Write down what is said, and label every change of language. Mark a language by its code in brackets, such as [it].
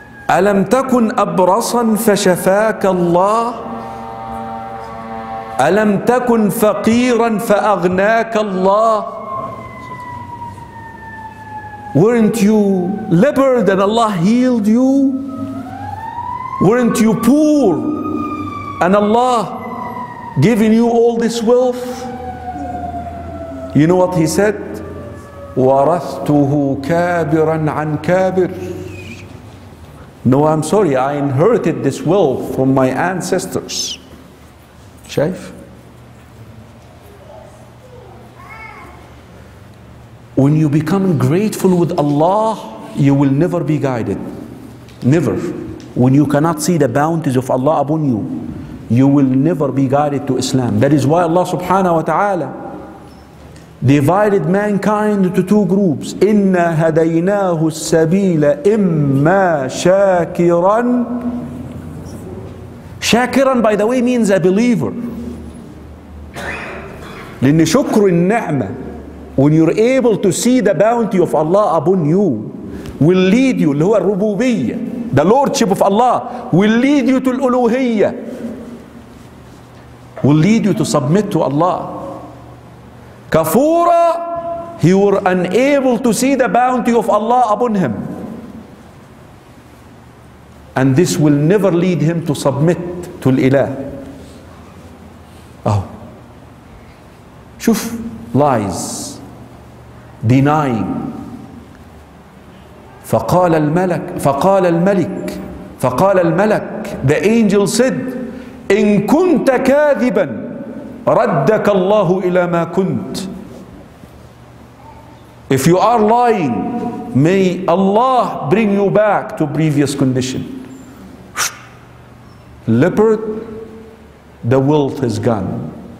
[ar] ألم تكن أبرصا فشفاك الله؟ ألم تكن فقيرا فأغناك الله؟ [en] Weren't you leopard and Allah healed you? Weren't you poor and Allah giving you all this wealth? You know what he said? [ar] ورثته كابرا عن كابر. [en] No, I'm sorry, I inherited this wealth from my ancestors. شايف؟ When you become grateful with Allah, you will never be guided. Never. When you cannot see the bounties of Allah upon you, you will never be guided to Islam. That is why Allah subhanahu wa ta'ala divided mankind into two groups. [ar] إِنَّا هَدَيْنَاهُ السَّبِيلَ إِمَّا شَاكِرًا. [en] شَاكِرًا, by the way, means a believer. [ar] لِنِّ شُكْرُ النِّعْمَةِ. [en] When you're able to see the bounty of Allah upon you, will lead you, [ar] اللي هو الربوبية, [en] the lordship of Allah, will lead you to الألوهية, will lead you to submit to Allah. كفورا, he were unable to see the bounty of Allah upon him. And this will never lead him to submit to الإله. Oh. شوف, lies. Denying. [ar] فقال الملك, [en] the angel said, [ar] إن كنت كاذبا ردك الله إلى ما كنت. [en] If you are lying, may Allah bring you back to previous condition. Leopard, the wealth is gone.